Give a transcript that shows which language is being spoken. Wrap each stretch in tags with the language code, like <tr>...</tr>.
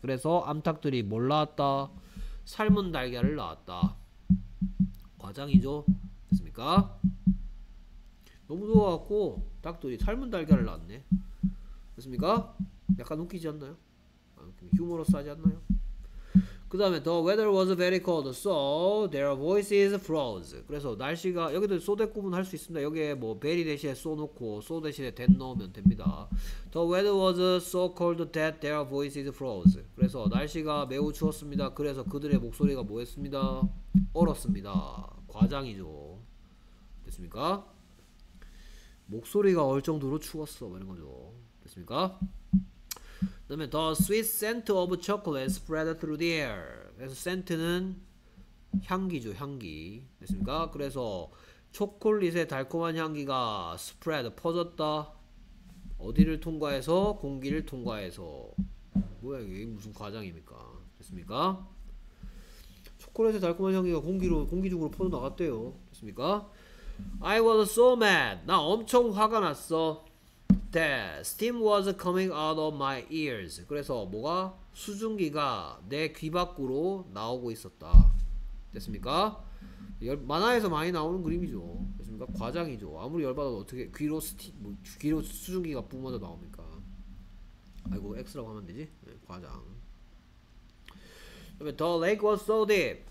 <ko>그래서 암탉들이 뭘 낳았다? 삶은 달걀을 낳았다. 과장이죠? 됐습니까? 너무 더워갖고 닭들이 삶은 달걀을 낳았네. 됐습니까? 약간 웃기지 않나요? 휴머러스하지 않나요? 그 다음에</ko> <en>the weather was very cold so their voices froze.</en> <ko>그래서 날씨가 여기도 so that 구분할 수 있습니다. 여기에 뭐 very 대신에 so 놓고 so 대신에 that 넣으면 됩니다.</ko> <en>The weather was so cold that their voices froze.</en> <ko>그래서 날씨가 매우 추웠습니다. 그래서 그들의 목소리가 뭐였습니다? 얼었습니다. 과장이죠. 됐습니까? 목소리가 얼 정도로 추웠어. 이런 거죠. 됐습니까? 그다음에</ko> <en>the sweet scent of chocolate spread through the air.</en> <ko>그래서 scent는 향기죠, 향기. 됐습니까? 그래서 초콜릿의 달콤한 향기가 spread 퍼졌다. 어디를 통과해서? 공기를 통과해서. 뭐야 이게 무슨 과장입니까? 됐습니까? 초콜릿의 달콤한 향기가 공기로 공기 중으로 퍼져 나갔대요. 됐습니까?</ko> <en>I was so mad.</en> <ko>나 엄청 화가 났어.</ko> <en>That steam was coming out of my ears.</en> <ko>그래서 뭐가? 수증기가 내 귀 밖으로 나오고 있었다. 됐습니까? 만화에서 많이 나오는 그림이죠. 됐습니까? 과장이죠. 아무리 열받아도 어떻게 귀로 귀로 수증기가 뿜어져 나옵니까? 아이고 X라고 하면 되지? 네, 과장.</ko> <en>The lake was so deep.</en>